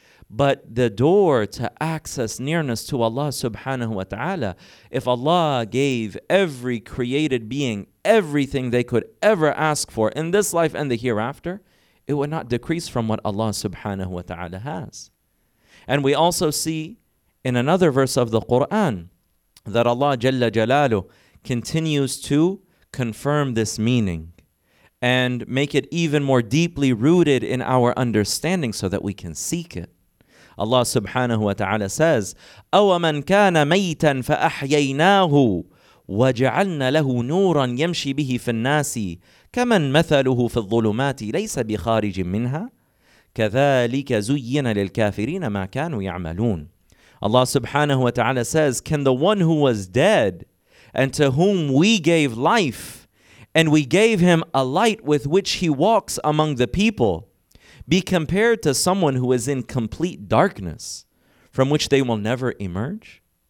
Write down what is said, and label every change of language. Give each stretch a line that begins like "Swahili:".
English: But the door to access nearness to Allah subhanahu wa ta'ala, if Allah gave every created being everything they could ever ask for in this life and the hereafter, it would not decrease from what Allah subhanahu wa ta'ala has. And we also see in another verse of the Quran that Allah Jalla Jalalu continues to confirm this meaning and make it even more deeply rooted in our understanding so that we can seek it. Allah subhanahu wa ta'ala says,
Arabic: أَوَمَنْ كَانَ مَيْتًا فَأَحْيَيْنَاهُ وَجَعَلْنَا لَهُ نُورًا يَمْشِي بِهِ فِي النَّاسِ كَمَنْ مَثَلُهُ فِي الظُّلُمَاتِ لَيْسَ بِخَارِجٍ مِّنْهَا كَذَلِكَ زُيِّنَ لِلْكَافِرِينَ مَا كَانُوا يَعْمَلُونَ.
English: Allah subhanahu wa ta'ala says, can the one who was dead and to whom we gave life and we gave him a light with which he walks among the people be compared to someone who is in complete darkness from which they will never emerge?